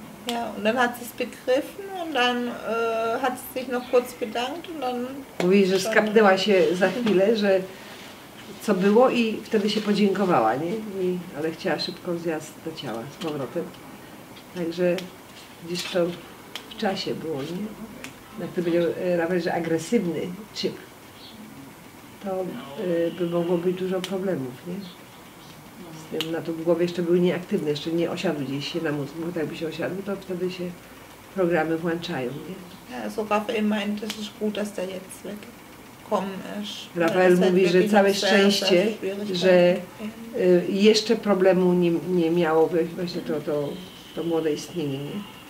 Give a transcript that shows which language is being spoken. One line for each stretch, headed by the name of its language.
German: Ja, und dann hat sie es begriffen und dann hat sie sich noch kurz bedankt und dann...
Polish: Mówi, że skapnęła się za chwilę, że co było i wtedy się podziękowała, nie? I, ale chciała szybko zjazd do ciała z powrotem. Także gdzieś to w czasie było, nie? Jak to będzie nawet, że agresywny chip, to by mogło być dużo problemów, nie? Na to w głowie jeszcze był nieaktywny, jeszcze nie osiadł gdzieś się na mózgu, bo tak by się osiadł, to wtedy się programy włączają, nie?
German: Rafael meint, das ist gut, dass der jetzt weggekommen ist.
Polish: Rafael mówi, że całe szczęście, że jeszcze problemu nie miało właśnie to młode istnienie, nie?